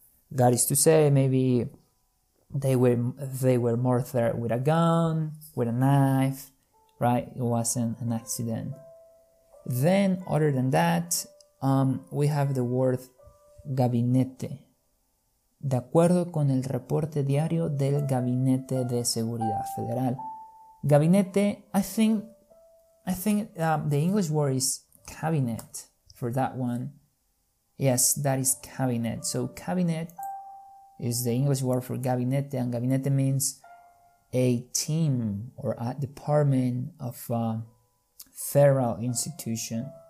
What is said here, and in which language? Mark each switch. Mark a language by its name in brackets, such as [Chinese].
[English] That is to say, maybe They were murdered with a gun, with a knife, right? It wasn't an accident. Then, other than that, we have the word gabinete. [Spanish] De acuerdo con el reporte diario del Gabinete de Seguridad Federal. [English] Gabinete, I think the English word is cabinet for that one. Yes, that is cabinet. So, cabinet is the English word for gabinete, and gabinete means a team or a department of a federal institution.